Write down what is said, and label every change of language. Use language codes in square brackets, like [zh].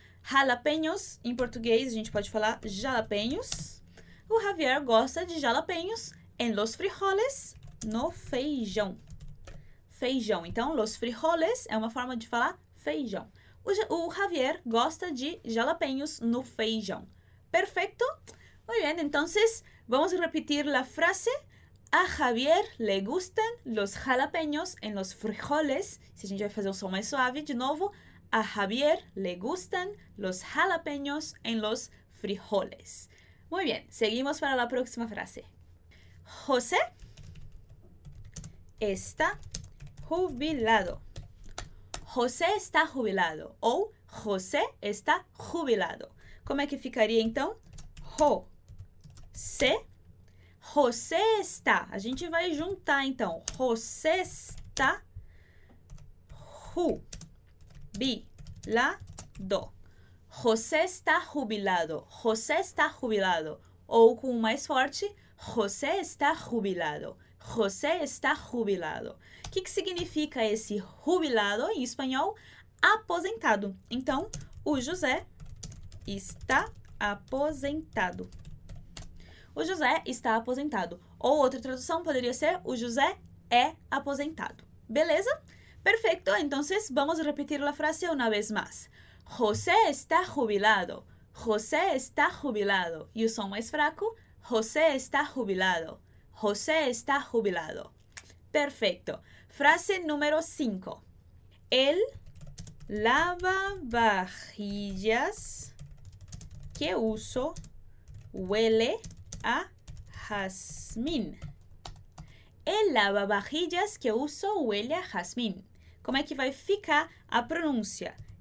[pt] Jalapeños, em português, a gente pode falar jalapeños. O Javier gosta de jalapeños [es] en los frijoles, [pt] no feijão. Feijão. Então, [es] los frijoles [pt] é uma forma de falar feijão. O Javier gosta de jalapeños no feijão. Perfeito? [es] Muy bien, entonces, vamos repetir la frase. A Javier le gustan los jalapeños en los frijoles. [pt] Se a gente vai fazer um som mais suave, de novo... [es] A Javier le gustan los jalapeños en los frijoles. Muy bien, seguimos para la próxima frase. José está jubilado. José está jubilado. Ou José está jubilado. [pt] Como é que ficaria então? José. José está. A gente vai juntar então. [es] José está jubilado. Jubilado. José está jubilado. José está jubilado. [pt] Ou com o mais forte, [es] José está jubilado. José está jubilado. [pt] O que, que significa esse jubilado em espanhol? Aposentado. Então, o José está aposentado. O José está aposentado. Ou outra tradução poderia ser, o José é aposentado. Beleza? [es] Perfecto, entonces vamos a repetir la frase una vez más. José está jubilado. José está jubilado. Y el son más fraco. José está jubilado. José está jubilado. Perfecto. [pt] Frase número 5. [es] Él lava vajillas que uso huele a jazmín. El lava vajillas que uso huele a jazmín. [pt] Como é que vai ficar a pronúncia?